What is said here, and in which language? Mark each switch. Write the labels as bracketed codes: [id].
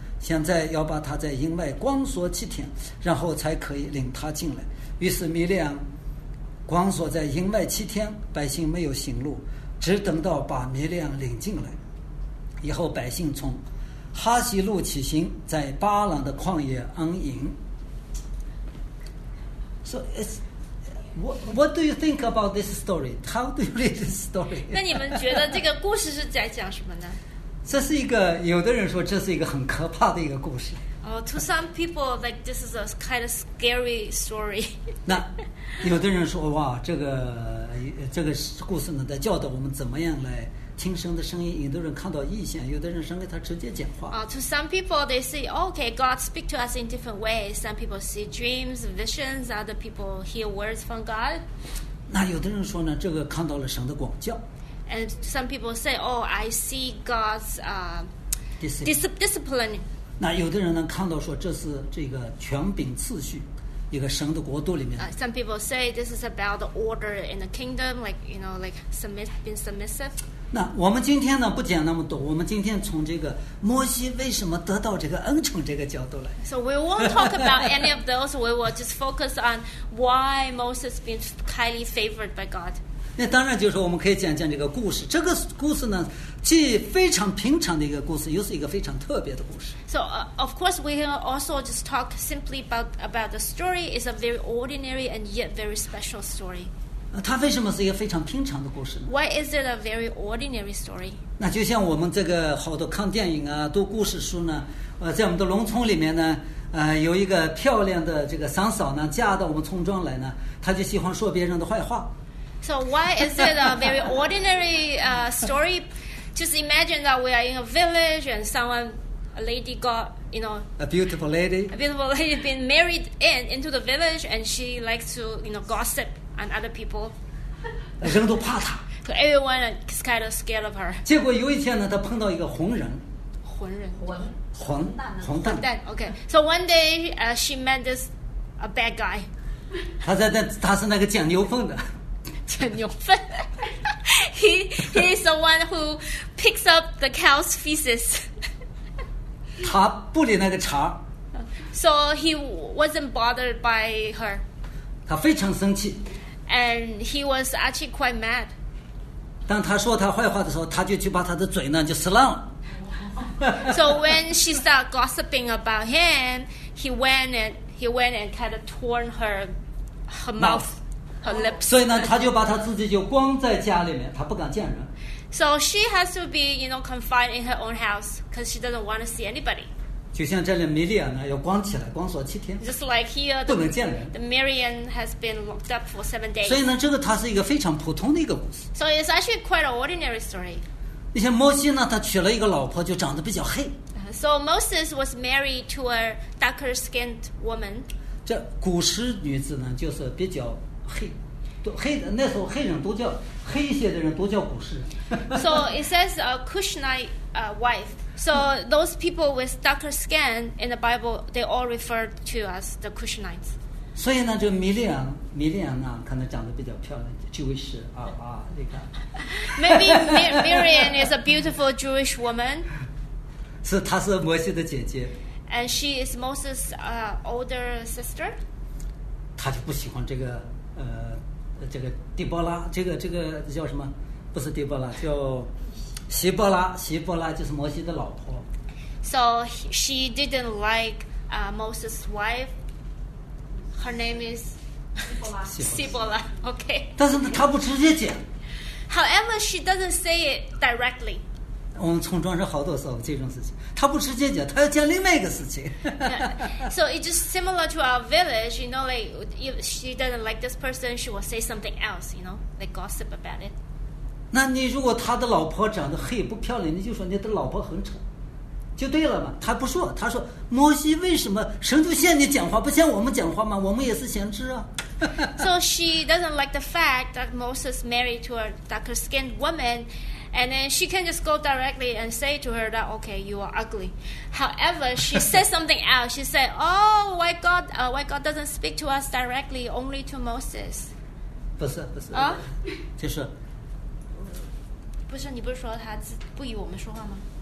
[zh] 现在要把他在营外光锁七天，然后才可以领他进来。于是米利昂光锁在营外七天，百姓没有行路，只等到把米利昂领进来。以后百姓从哈西路起行，在巴朗的旷野安营。 [en] So it's what do you think about this story? How do you read this story? [zh] 那你们觉得这个故事是在讲什么呢？这是一个，有的人说这是一个很可怕的一个故事。 [en] Oh, to some people, like this is a kind of scary story. [zh] 那有的人说，哇，这个故事呢，在教导我们怎么样来听神的声音。有的人看到异象，有的人神给他直接讲话。 [en] To some people, they say, okay, God speak to us in different ways. Some people see dreams, visions. Other people hear words from God. [zh] 那有的人说呢，这个看到了神的管教。 [en] And some people say, oh, I see God's discipline. [zh] 那有的人呢看到说，这是这个权柄次序，一个神的国度里面。 [en] Some people say this is about the order in the kingdom, like you know, like submit, being submissive. [zh] 那我们今天呢不讲那么多，我们今天从这个摩西为什么得到这个恩宠这个角度来。 [en] So we won't talk about any of those. We will just focus on why Moses been highly favored by God. [zh] 那当然就是我们可以讲讲这个故事。这个故事呢。既非常平常的一个故事，又是一个非常特别的故事。 [en] So, of course, we can also just talk simply about the story. It's a very ordinary and yet very special story. [zh] 它为什么是一个非常平常的故事呢？ [en] Why is it a very ordinary story? [zh] 那就像我们这个好多看电影啊，读故事书呢，在我们的农村里面呢，有一个漂亮的这个桑嫂呢，嫁到我们村庄来呢，她就喜欢说别人的坏话。 [en] So why is it a very ordinary story? Just imagine that we are in a village and someone, a lady got, you know... A beautiful lady been married into the village and she likes to, you know, gossip on other people. [zh] 人都怕她。 [en] So everyone is kind of scared of her. [zh] 结果有一天呢，她碰到一个红人。红人。红。红蛋。红蛋。Okay. [en] So one day, she met this a bad guy. [zh] 她是那个捡牛粪的。捡牛粪。 [en] He's the one who picks up the cow's feces. [zh] 他不理那个茬。 [en] So he wasn't bothered by her. [zh] 他非常生气。 [en] And he was actually quite mad. [zh] 当他说他坏话的时候，他就去把他的嘴呢就撕烂了。 [en] So when she started gossiping about him, he went and kind of torn her mouth, her lips. [zh] 所以呢，他就把他自己就关在家里面，他不敢见人。 [en] So she has to be, you know, confined in her own house because she doesn't want to see anybody. [zh] 就像这里米利亚呢，要关起来，关锁七天。 [en] Just like here, [zh] 不能见人。 [en] The Marian has been locked up for 7 days. [zh] 所以呢，这个它是一个非常普通的一个故事。 [en] So it's actually quite an ordinary story. [zh] 那些摩西呢，他娶了一个老婆，就长得比较黑。 [en] So Moses was married to a darker-skinned woman. [zh] 这古时女子呢，就是比较黑，黑的那时候黑人都叫黑一些的人都叫古时人。 [en] So it says a Cushite wife. So those people with darker skin in the Bible, they all referred to as the Cushites. [zh] 所以呢，这米利亚呢，可能长得比较漂亮。 Jewish 啊啊，你看。 [en] Maybe Miriam is a beautiful Jewish woman. [zh] 是，她是摩西的姐姐。 [en] And she is Moses' older sister. [zh] 她就不喜欢这个这个底波拉，这个叫什么？不是底波拉，叫希波拉。希波拉就是摩西的老婆。 [en] So she didn't like Moses' wife. Her name is. Sibola, okay. [zh] 但是他不直接讲。 [en] However, she doesn't say it directly. [zh] 我们从中是好多时候这种事情，他不直接讲，他要讲另外一个事情。 [en] So it's just similar to our village, you know, like if she doesn't like this person, she will say something else, you know, like gossip about it. [zh] 那你如果他的老婆长得黑不漂亮，你就说你的老婆很丑，就对了嘛。他不说，他说摩西为什么神就像你讲话，不像我们讲话吗？我们也是先知啊。 [en] So she doesn't like the fact that Moses married to a darker-skinned woman, and then she can just go directly and say to her that okay, you are ugly. However, she said something else. She said, "Oh, why God doesn't speak to us directly, only to Moses?" [zh] 不是，就是。不是，你不是说他不与我们说话吗？